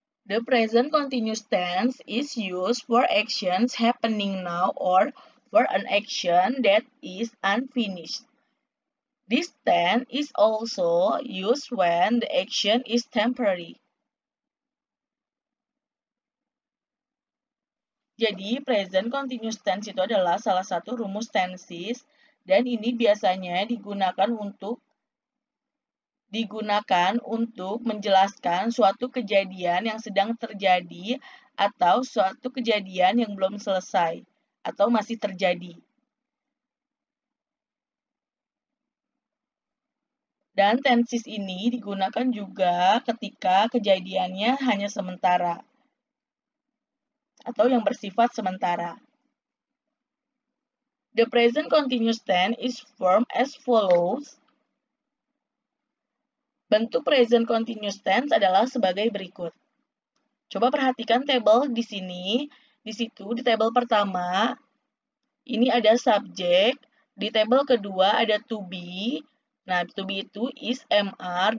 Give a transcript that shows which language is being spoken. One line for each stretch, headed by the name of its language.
English: The present continuous tense is used for actions happening now or for an action that is unfinished. This tense is also used when the action is temporary.
Indonesian: Jadi, present continuous tense itu adalah salah satu rumus tenses dan ini biasanya digunakan untuk menjelaskan suatu kejadian yang sedang terjadi atau suatu kejadian yang belum selesai atau masih terjadi. Dan tenses ini digunakan juga ketika kejadiannya hanya sementara atau yang bersifat sementara.
English: The present continuous tense is formed as follows.
Indonesian: Bentuk present continuous tense adalah sebagai berikut. Coba perhatikan table di sini. Di situ, di table pertama, ini ada subjek. Di table kedua, ada to be. Nah, to be itu is, am, are.